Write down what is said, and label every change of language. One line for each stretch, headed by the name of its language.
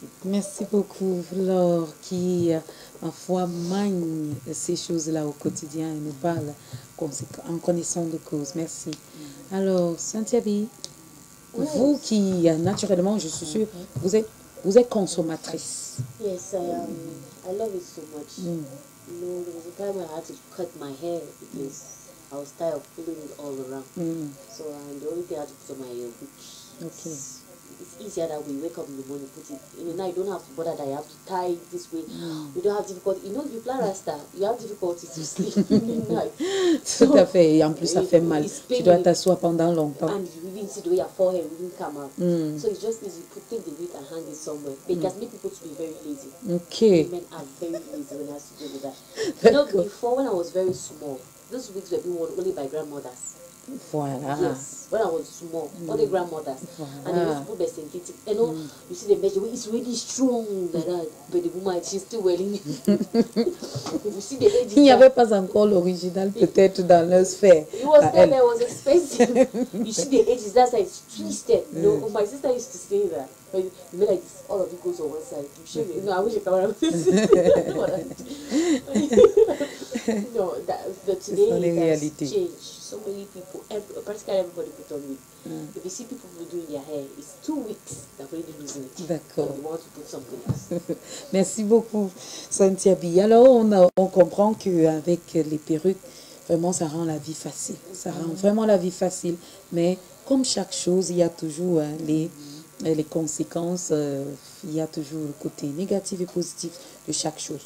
French: Merci beaucoup, Laure, qui parfois manie ces choses-là au quotidien et nous parle en connaissant de cause. Merci. Alors, Saint-Yabi, vous qui, naturellement, je suis sûre, vous êtes consommatrice.
English: Yes, I am. I love it so much. You know, there was a time I had to cut my hair because I was tired of pulling it all around. So the only thing I had to put on my hair, which it's easier that we wake up in the morning, put it. You know, now you don't have to bother that you have to tie it this way. You don't have difficulty. You know, if you plan Rasta, you have difficulty to sleep in the night.
French: Tout à fait. Et en plus, ça fait mal. Tu dois t'asseoir pendant longtemps.
English: And you even see the way your forehead will come out. So it's just easy. Put things in it and hang it somewhere. But it has made people to be very lazy. Okay. Women are very lazy when it has to do with that. You know, cool. Before, when I was very small, those wigs were being worn only by grandmothers.
French: Voilà.
English: Yes, when I was small, all the grandmothers,
French: voilà.
English: And they used to put the synthetic. You know, you see the measure, it's really strong, but the woman, she's still wearing it. You see the lady.
French: Il n'y avait pas encore l'original, peut-être, dans leur sphère.
English: It was there, but it was expensive. You see the edges, that's how it's twisted. No, my sister used to say that. You know, like, all of it goes on one side. You show me. No, I wish your camera No, but today, it's changed. So many people, practically everybody put on wig. If you see people doing their hair, it's 2 weeks that really losing it.
French: D'accord.
English: You want to put something else.
French: Merci beaucoup, Saint-Yabi. Alors, on comprend qu'avec les perruques, vraiment, ça rend la vie facile. Ça rend vraiment la vie facile. Mais comme chaque chose, il y a toujours les conséquences, il y a toujours le côté négatif et positif de chaque chose.